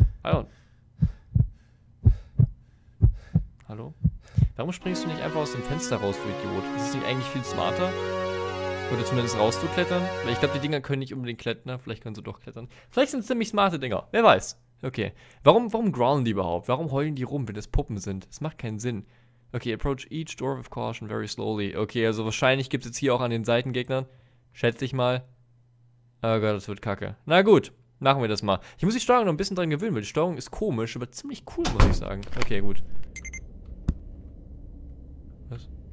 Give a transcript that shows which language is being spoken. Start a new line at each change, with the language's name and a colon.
German: Hallo? Warum springst du nicht einfach aus dem Fenster raus, du Idiot? Das ist nicht eigentlich viel smarter? Oder zumindest rauszuklettern? Weil ich glaube, die Dinger können nicht unbedingt klettern. Vielleicht können sie doch klettern. Vielleicht sind es ziemlich smarte Dinger. Wer weiß. Okay. Warum growlen die überhaupt? Warum heulen die rum, wenn das Puppen sind? Das macht keinen Sinn.
English: Okay, approach each door with caution very slowly.
German: Okay, also wahrscheinlich gibt es jetzt hier auch an den Seiten Gegnern. Schätze ich mal. Oh Gott, das wird kacke. Na gut, machen wir das mal. Ich muss die Steuerung noch ein bisschen dran gewöhnen, weil die Steuerung ist komisch, aber ziemlich cool, muss ich sagen. Okay, gut. Was?